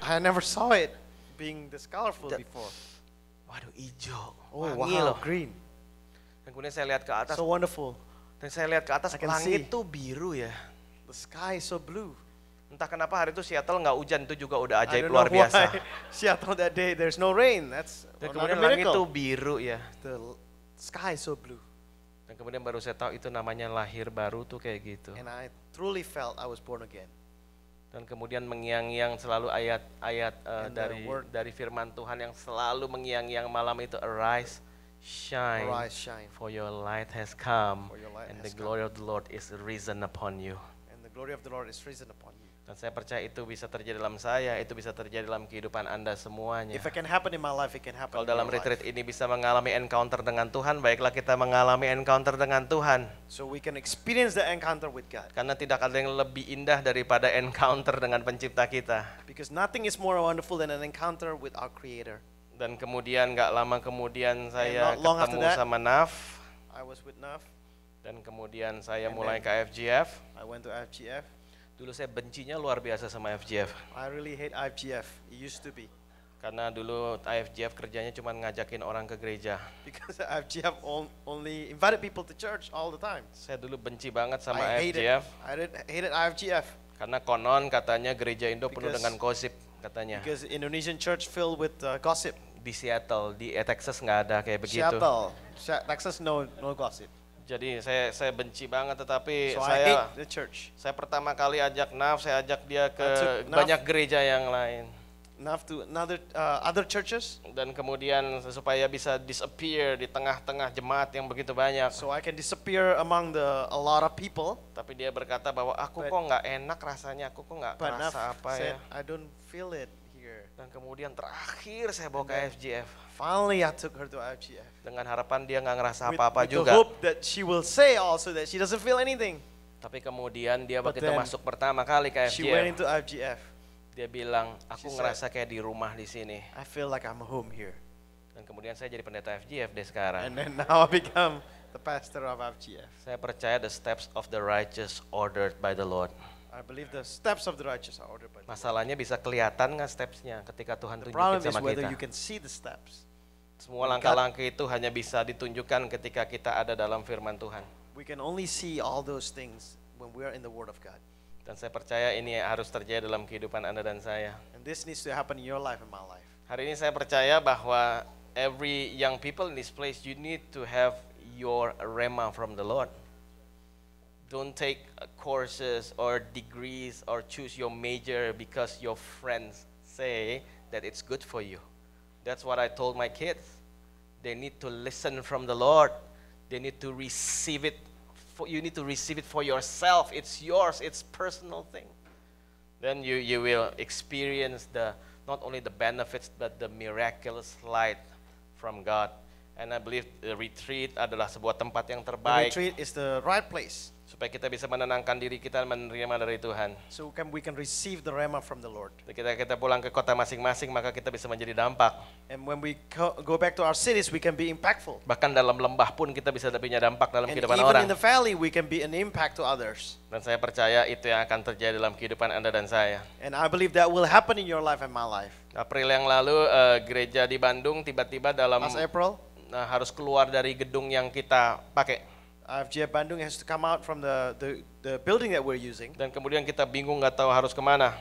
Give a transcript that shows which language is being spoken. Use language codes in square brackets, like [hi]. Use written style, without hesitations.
[en] I never saw it being this colorful before. [id] Waduh hijau, oh, wangi wow, loh. [en] Green. [id] Dan kemudian saya lihat ke atas. [en] So wonderful. [id] Dan saya lihat ke atas, langit tuh biru ya. [en] The sky is so blue. [id] Entah kenapa hari itu Seattle enggak hujan, itu juga udah ajaib luar biasa. [en] Seattle that day there's no rain. That's [id] dan kemudian langit itu biru ya. [en] The sky is so blue. [id] Dan kemudian baru saya tahu itu namanya lahir baru tuh kayak gitu. [en] And I truly felt I was born again. [id] Dan kemudian mengiang-iang selalu ayat-ayat dari firman Tuhan yang selalu mengiang-iang malam itu, arise, shine. [en] For your light has come and the glory of the Lord is risen upon you. And the glory of the Lord is risen upon you. [id] Dan saya percaya itu bisa terjadi dalam saya, itu bisa terjadi dalam kehidupan Anda semuanya. [en] If it can happen in my life, it can happen. [id] Kalau dalam retreat ini bisa mengalami encounter dengan Tuhan, baiklah kita mengalami encounter dengan Tuhan. [en] So we can experience the encounter with God. [id] Karena tidak ada yang lebih indah daripada encounter dengan pencipta kita. [en] Because nothing is more wonderful than an encounter with our creator. [id] Dan kemudian enggak lama kemudian saya ketemu sama Naf. [en] I was with Naf. [id] Dan kemudian saya and mulai ke IFGF. [en] I went to IFGF. [id] Dulu saya bencinya luar biasa sama IFGF. [en] I really hate IFGF. It used to be. [id] Karena dulu IFGF kerjanya cuma ngajakin orang ke gereja. [en] Because IFGF only invited people to church all the time. [id] Saya dulu benci banget sama IFGF. [en] I hated IFGF. [id] Karena konon katanya gereja Indo penuh dengan gosip katanya. [en] Because Indonesian church filled with gossip. [id] Di Seattle, di Texas nggak ada kayak begitu. [en] Seattle, Texas no gossip. [id] Jadi saya benci banget, tetapi [en] so [id] saya [en] the church. [id] Saya pertama kali ajak Naf, saya ajak dia ke banyak gereja yang lain. [en] Naf to other churches. [id] Dan kemudian supaya bisa disappear di tengah-tengah jemaat yang begitu banyak. [en] So I can disappear among the a lot of people. [id] Tapi dia berkata bahwa aku kok enggak enak rasanya, aku kok enggak rasa [en] Naf [id] apa [en] said, [id] ya. [en] I don't feel it here. [id] Dan kemudian terakhir saya bawa ke FGF. [en] Finally, I took her to IFGF. [id] Dengan harapan dia nggak ngerasa apa-apa [en] with [id] juga. [en] With the hope that she will say also that she doesn't feel anything. [id] Tapi kemudian dia begitu masuk pertama kali ke IFGF. [en] She went into IFGF. [id] Dia bilang, aku ngerasa kayak di rumah di sini. [en] I feel like I'm home here. [id] Dan kemudian saya jadi pendeta IFGF deh sekarang. [en] And then now I become the pastor of IFGF. [id] Saya percaya [en] the steps of the righteous ordered by the Lord. I believe the steps of the righteous are ordered by the Lord. [id] Masalahnya bisa kelihatan nggak stepsnya ketika Tuhan tunjukin sama kita? [en] The problem is whether you can see the steps. [id] Semua langkah-langkah itu hanya bisa ditunjukkan ketika kita ada dalam firman Tuhan. [en] We can only see all those things when we are in the Word of God. [id] Dan saya percaya ini harus terjadi dalam kehidupan Anda dan saya. [en] And this needs to happen in your life and my life. [id] Hari ini saya percaya bahwa [en] every young people in this place, you need to have your rhema from the Lord. Don't take courses or degrees or choose your major because your friends say that it's good for you. That's what I told my kids. They need to listen from the Lord. They need to receive it. You need to receive it for yourself. It's yours. It's personal thing. Then you will experience the not only the benefits but the miraculous light from God. And I believe the retreat [id] adalah sebuah tempat yang terbaik. [en] The retreat is the right place. [id] Supaya kita bisa menenangkan diri kita menerima dari Tuhan. [en] So we can receive the rhema from the Lord. [id] Ketika kita pulang ke kota masing-masing, maka kita bisa menjadi dampak. [en] And when we go back to our cities, we can be impactful. [id] Bahkan dalam lembah pun kita bisa punya dampak dalam [en] and [id] kehidupan orang. [en] And even in the valley, we can be an impact to others. [id] Dan saya percaya itu yang akan terjadi dalam kehidupan Anda dan saya. [en] And I believe that will happen in your life and my life. [id] April yang lalu, gereja di Bandung tiba-tiba dalam [en] last April, [id] harus keluar dari gedung yang kita pakai. [en] IFGF Bandung has to come out from the building that we're using. [id] Dan kemudian kita bingung nggak tahu harus kemana.